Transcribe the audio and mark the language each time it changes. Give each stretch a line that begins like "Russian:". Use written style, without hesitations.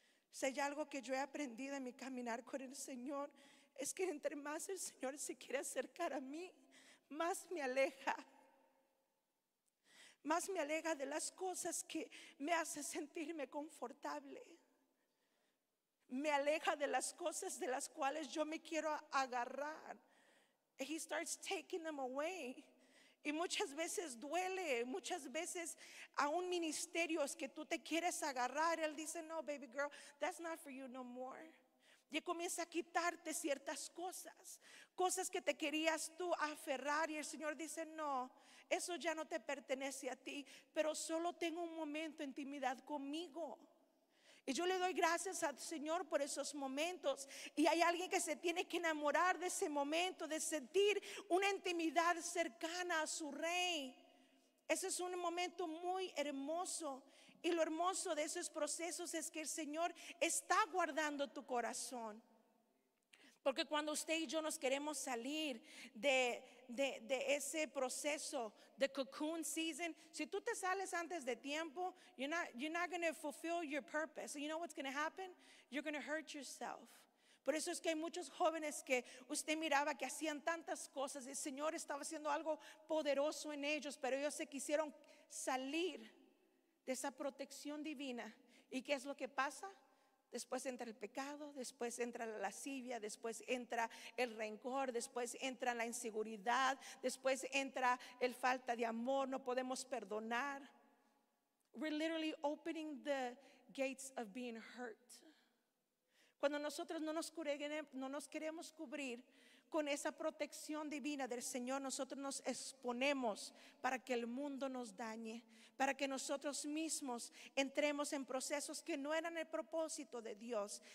Spanish: Si hay algo que yo he aprendido en mi caminar con el Señor, es que entre más el Señor se quiere acercar a mí, más me aleja. Más me aleja de las cosas que me hace sentirme confortable. Me aleja de las cosas de las cuales yo me quiero agarrar.
English: He starts taking them away.
Spanish: Y muchas veces duele, muchas veces aún ministerios que tú te quieres agarrar, Él dice, no,
English: baby girl, that's not for you no more.
Spanish: Y comienza a quitarte ciertas cosas, cosas que te querías tú aferrar, y el Señor dice, no, eso ya no te pertenece a ti, pero solo tengo un momento de intimidad conmigo. Y yo le doy gracias al Señor por esos momentos. Y hay alguien que se tiene que enamorar de ese momento, de sentir una intimidad cercana a su Rey. Ese es un momento muy hermoso. Y lo hermoso de esos procesos es que el Señor está guardando tu corazón. Porque cuando usted y yo nos queremos salir de ese proceso,
English: the cocoon season,
Spanish: si tú te sales antes de tiempo,
English: you're not going to fulfill your purpose. So you know what's going to happen? You're going to hurt yourself.
Spanish: Por eso es que hay muchos jóvenes que usted miraba que hacían tantas cosas. El Señor estaba haciendo algo poderoso en ellos, pero ellos se quisieron salir de esa protección divina. ¿Y qué es lo que pasa? Después entra el pecado, después entra la lascivia, después entra el rencor, después entra la inseguridad, después entra el falta de amor, no podemos perdonar.
English: We're literally opening the gates of being hurt.
Spanish: Cuando nosotros no nos queremos cubrir con esa protección divina del Señor, nosotros nos exponemos para que el mundo nos dañe, para que nosotros mismos entremos en procesos que no eran el propósito de Dios.